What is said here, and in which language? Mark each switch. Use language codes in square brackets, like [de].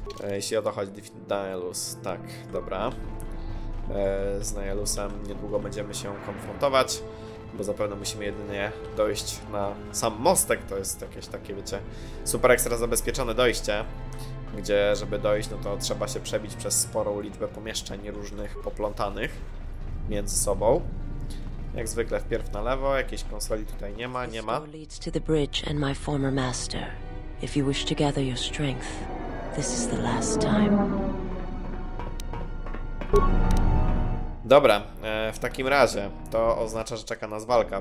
[pl] Jeśli o to chodzi, Nihilus. Tak, dobra. Z Nihilusem niedługo będziemy się konfrontować, bo zapewne musimy jedynie dojść na sam mostek. To jest jakieś takie, wiecie, super ekstra zabezpieczone dojście, gdzie żeby dojść, no to trzeba się przebić przez sporą liczbę pomieszczeń różnych poplątanych między sobą. Jak zwykle wpierw na lewo, jakiejś konsoli tutaj nie ma, nie ma. [en] Leads to the bridge and my former master. If you wish to gather your strength, this is the last time. [pl] Dobra, w takim razie to oznacza, że czeka nas walka.